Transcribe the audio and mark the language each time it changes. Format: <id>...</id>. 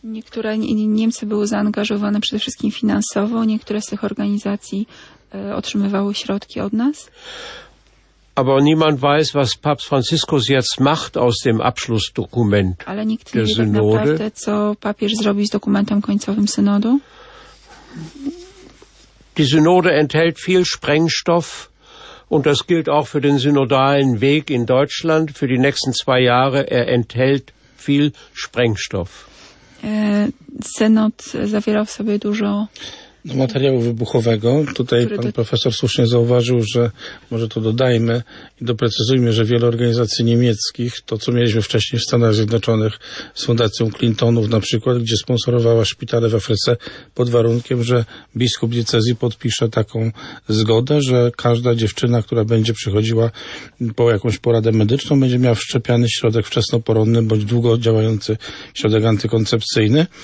<pl>Niektóre Niemcy były zaangażowane przede wszystkim finansowo, niektóre z tych organizacji otrzymywały środki od nas.</pl> <de>Aber niemand weiß, was Papst Franziskus jetzt macht aus dem Abschlussdokument der Synode.</de> <pl>Ale nikt nie wie tak naprawdę, co papież zrobi z dokumentem końcowym synodu.</pl> <de>Die Synode enthält viel Sprengstoff und das gilt auch für den synodalen Weg in Deutschland für die nächsten zwei Jahre. Er enthält viel Sprengstoff.</de> <pl>Synod zawiera w sobie dużo materiału wybuchowego. Tutaj pan profesor słusznie zauważył, że może to dodajmy i doprecyzujmy, że wiele organizacji niemieckich, to co mieliśmy wcześniej w Stanach Zjednoczonych z Fundacją Clintonów na przykład, gdzie sponsorowała szpitale w Afryce pod warunkiem, że biskup diecezji podpisze taką zgodę, że każda dziewczyna, która będzie przychodziła po jakąś poradę medyczną, będzie miała wszczepiany środek wczesnoporonny bądź długo działający środek antykoncepcyjny.</pl>